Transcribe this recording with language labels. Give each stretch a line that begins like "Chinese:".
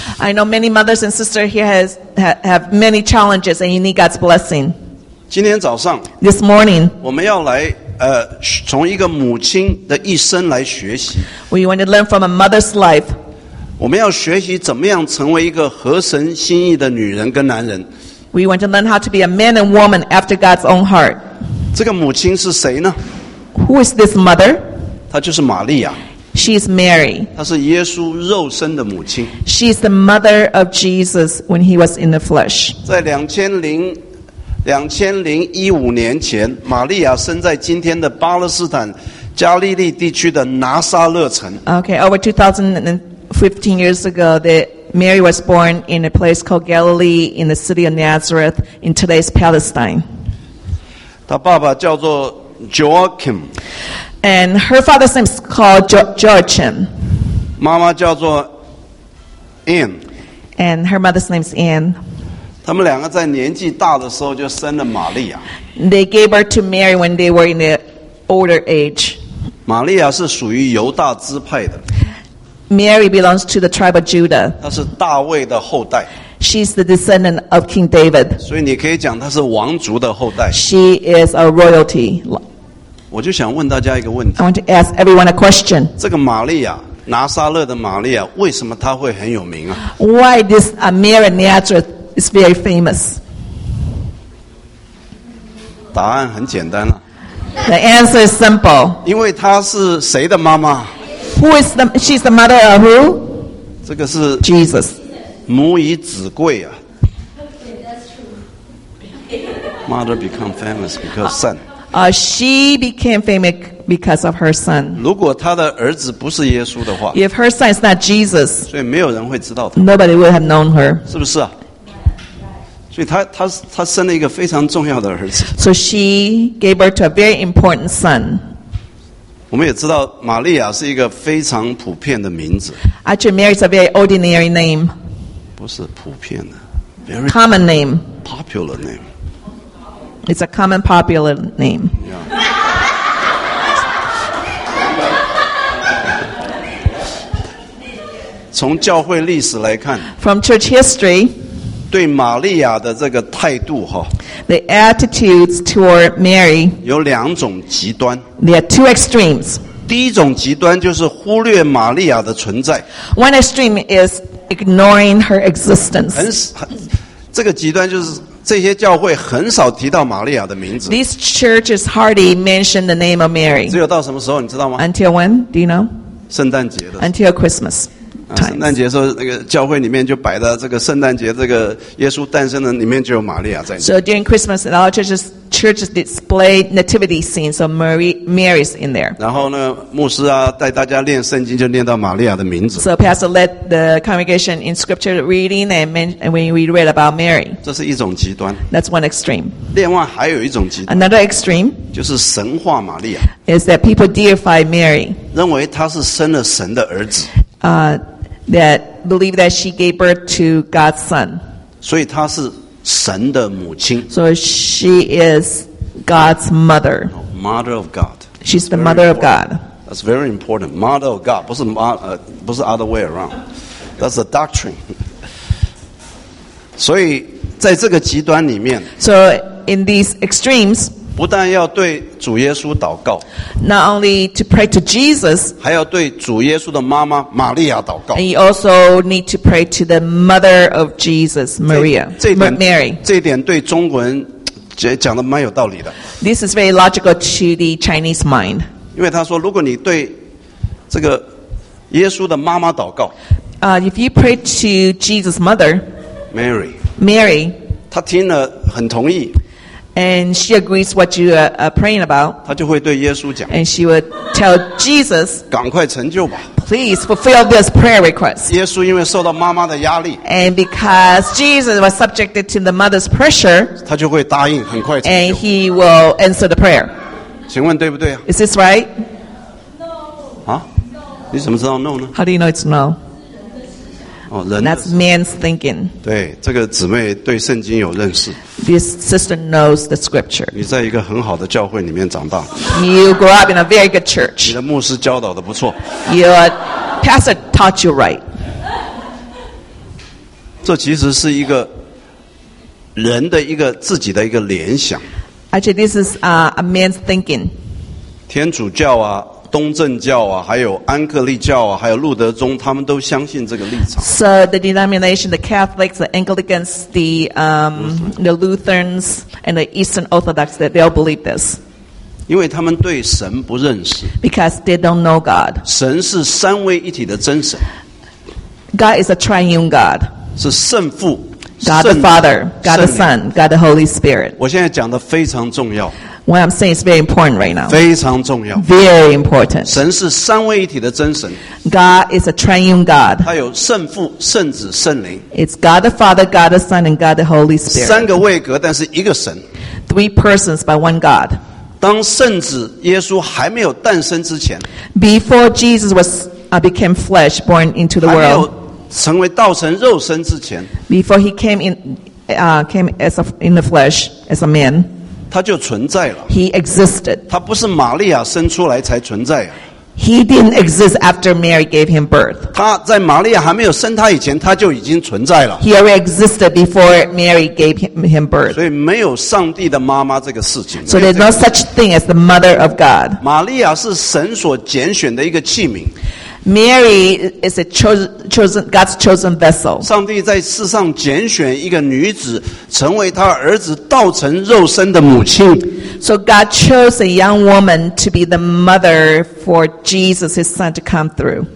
English: I know many mothers and sisters here have many challenges, and you need God's blessing.
Chinese: 今天早上
English: This morning,
Chinese: 我们要来从一个母亲的一生来学习
English: We want to learn from a mother's life
Chinese: 我们要学习怎么样成为一个合神心意的女人跟男人
English: We want to learn how to be a man and woman after God's own heart
Chinese: 这个母亲是谁呢
English: Who is this mother?
Chinese: 她就是玛利亚
English: She is Mary
Chinese: 她是耶稣肉身的母亲
English: She is the mother of Jesus when he was in the flesh
Chinese: 在2015年前，玛利亚生在今天的巴勒斯坦加利利地区的拿撒勒城。
English: Okay, over 2015 years ago, that Mary was born in a place called Galilee in the city of Nazareth in today's Palestine.
Chinese: 她爸爸叫做 Joachim,
English: and her father's name is called Joachim.
Chinese: 妈妈叫做 Anne,
English: and her mother's name is Anne.
Chinese: 他们两个在年纪大的时候就生了玛利亚。
English: They gave birth to Mary when they were in the older age.
Chinese: 玛利亚是属于犹大支派的。
English: Mary belongs to the tribe of Judah.
Chinese: 她是大卫的后代。
English: She's the descendant of King David.
Chinese: 所以你可以讲她是王族的后代。
English: She is a royalty.
Chinese: 我就想问大家一个问题。
English: I want to ask everyone a question.
Chinese: 这个玛利亚。拿撒勒的玛利亚为什么她会很有名啊
English: ？Why this Mary Nazareth? It's very famous.
Chinese: 答案很简单了。
English: The answer is simple.
Chinese: 因为她是谁的妈妈
English: ？Who is the? She's the mother of who?
Chinese: 这个是
English: Jesus.
Chinese: 母以子贵啊。
English: Mother become famous because son. She became famous because of her son.
Chinese: 如果她的儿子不是耶稣的话
English: ，If her son is not Jesus,
Chinese: 所以没有人会知道她。
English: Nobody would have known her.
Chinese: 是不是啊？所以她生了一个非常重要的儿子。
English: So she gave birth to a very important son.
Chinese: 我们也知道玛利亚是一个非常普遍的名字。
English: Actually, Mary is a very ordinary name.
Chinese: 不是普遍的
English: ，very common name. Popular name. It's a common popular name. Yeah.
Chinese: 从教会历史来看
English: ，From church history.
Chinese: 对玛利亚的这个态度哈
English: ，The attitudes toward Mary
Chinese: 有两种极端。
English: There are two extremes.
Chinese: 第一种极端就是忽略玛利亚的存在。
English: One extreme is ignoring her existence.
Chinese: 这个极端就是这些教会很少提到玛利亚的名字。
English: These churches hardly mention the name of Mary.
Chinese: 只有到什么时候你知道吗
English: ？Until when? Do you know?
Chinese: 圣诞节的。
English: Until Christmas.
Chinese: 圣诞节的时候，那个教会里面就摆的这个圣诞节这个耶稣诞生的里面就有玛利亚在。
English: So during Christmas, and all churches. Churches display nativity scenes of Mary's in there.
Chinese: 然后呢，牧师啊，带大家念圣经，就念到玛利亚的名字。
English: So pastor led the congregation in scripture reading, and when we read about Mary.
Chinese: 这是一种极端。
English: That's one extreme.
Chinese: 另外还有一种极端。
English: Another extreme.
Chinese: 就是神化玛利亚。
English: Is that people deify Mary?
Chinese: 认为她是生了神的儿子。
English: That believe that she gave birth to God's son.
Chinese: 所以她是。神的母亲
English: So she is God's mother. Mother of God. She's the mother of God. That's very important. Mother of God.
Chinese: 不是
English: other way around. That's a doctrine.
Chinese: 所以在这个极端里面
English: So in these extremes,
Chinese: 不但要对主耶稣祷告
English: Not only to pray to Jesus,
Chinese: 还要对主耶稣的妈妈玛利亚祷告
English: And you also need to pray to the mother of Jesus, Maria,
Chinese: 这一点 Mary. 这一点对中国人讲得蛮有道理的
English: This is very logical to the Chinese mind.
Chinese: 因为他说如果你对这个耶稣的妈妈祷告
English: If you pray to Jesus' mother,
Chinese: Mary, 他听了很同意
English: And she agrees what you are praying about.
Chinese: 她就会对耶稣讲。
English: And she would tell Jesus.
Chinese: 赶快成就吧。
English: Please fulfill this prayer request.
Chinese: 耶稣因为受到妈妈的压力。
English: And because Jesus was subjected to the mother's pressure.
Chinese: 她就会答应，很快成就。
English: And he will answer the prayer.
Chinese: 请问对不对啊
English: ？Is this right? No.
Chinese: 啊？你怎么知道 no 呢
English: ？How do you know it's no?
Chinese: 哦，人。
English: That's man's thinking.
Chinese: 对，这个姊妹对圣经有认识。
English: This sister knows the scripture.
Chinese: 你在一个很好的教会里面长大。
English: You grew up in a very good church.
Chinese: 你的牧师教导的不错。
English: Your pastor taught you right.
Chinese: 这其实是一个人的一个自己的一个联想。
English: Actually, this is a man's thinking.
Chinese: 天主教啊，东正教啊，还有安克利教啊，还有路德宗，他们都相信这个立场。
English: So the denomination, the Catholics, the Anglicans, the Lutherans, and the Eastern Orthodox, that they all believe this.
Chinese: 因为他们对神不认识。
English: Because they don't know God.
Chinese: 神是三位一体的真神。
English: God is a triune God.
Chinese: 是圣父。
English: God the Father, God the Son, God the Holy Spirit.
Chinese: 我现在讲的非常重要。
English: What I'm saying is very important right now.
Chinese: 非常重要。
English: Very important.
Chinese: 神是三位一体的真神。
English: God is a triune God.
Chinese: 他有圣父、圣子、圣灵。
English: It's God the Father, God the Son, and God the Holy Spirit.
Chinese: 三个位格，但是一个神。
English: Three persons, but one God.
Chinese: 当圣子耶稣还没有诞生之前
English: ，Before Jesus was became flesh, born into the world.
Chinese: 还没有成为道成肉身之前
English: ，Before he came as a, in the flesh as a man.
Chinese: 他就存在了。
English: He existed.
Chinese: 他不是玛利亚生出来才存在啊。
English: He didn't exist after Mary gave him birth.
Chinese: 他在玛利亚还没有生他以前，他就已经存在了。
English: He already existed before Mary gave him birth.
Chinese: 所以没有上帝的妈妈这个事情。
English: So there's no such thing as the mother of God.
Chinese: 玛利亚是神所拣选的一个器皿。
English: Mary is a chosen God's chosen vessel.
Chinese: 上帝在世上拣选一个女子，成为他儿子道成肉身的母亲。
English: So God chose a young woman to be the mother for Jesus, His Son, to come through.